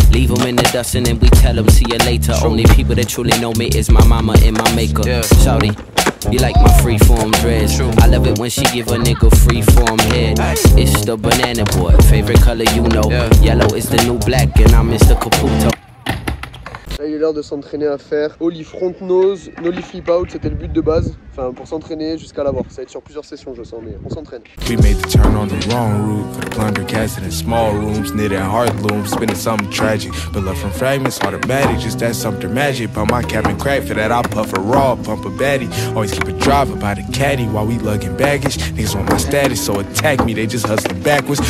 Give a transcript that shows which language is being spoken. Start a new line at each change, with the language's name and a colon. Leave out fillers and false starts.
English: Leave them in the dust and then we tell them see you later. True. Only people that truly know me is my mama and my maker. Yeah. Shawty, you like my freeform dreads. True. I love it when she give a nigga freeform head. Aye. It's the banana boy, favorite color you know. Yeah. Yellow is the new black and I'm Mr. Caputo.
French: Là, il est l'heure de s'entraîner à faire Ollie front nose, Ollie flip out, c'était le but de base. Enfin, pour s'entraîner jusqu'à l'avoir. Ça va être sur plusieurs sessions, je sens, mais on s'entraîne.
English: We made the turn on the wrong route. For the plunder casting in small rooms, knitting heart looms, spinning something tragic. But love from fragments, automatic, just that something magic. But my cabin crack for that, I puff a raw, pump a baddie. Always keep a driver by the caddy while we lugging baggage. Niggas want my status, so attack me, they just hustling backwards.